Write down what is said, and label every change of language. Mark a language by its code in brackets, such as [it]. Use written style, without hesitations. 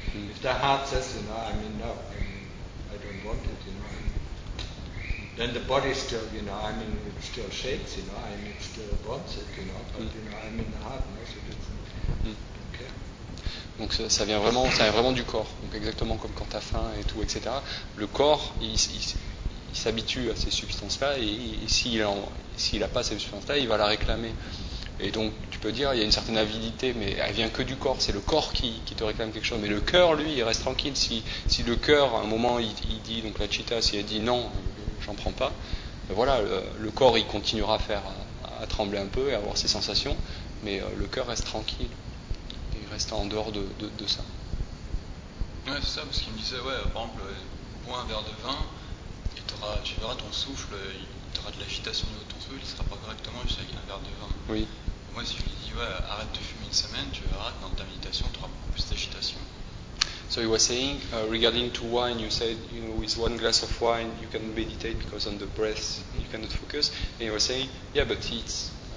[en] If the heart says, you know, I mean, no, I mean, I don't want it, you know. Then the body still, you know, I mean, it still shakes, you know, and it still wants it, you know, but, you know, I'm in the heart, no, so it's not, okay. [fr] Donc ça vient vraiment du corps, donc exactement comme quand t'as faim et tout, etc. Le corps, il s'habitue à ces substances-là, et s'il a pas ces substances-là, il va la réclamer. Et donc, tu peux dire, il y a une certaine avidité, mais elle vient que du corps, c'est le corps qui te réclame quelque chose. Mais le cœur, lui, il reste tranquille. Si le cœur, à un moment, il dit, donc la chitta, si elle dit non, j'en prends pas, ben voilà, le corps il continuera à trembler un peu et à avoir ses sensations, mais le cœur reste tranquille, il reste en dehors de ça. Ouais, c'est ça, parce qu'il me disait, ouais, par exemple, bois un verre de vin, et tu verras ton souffle, tu auras de l'agitation au niveau de ton souffle, il ne sera pas correctement juste avec un verre de vin. Oui. Moi, si je lui dis, ouais, arrête de fumer une semaine, tu verras que dans ta méditation, tu auras beaucoup plus d'agitation. [en] So he was saying, regarding to wine, you said, you know, with one glass of wine you can meditate because on the breath you cannot focus. And he was saying, yeah, but it's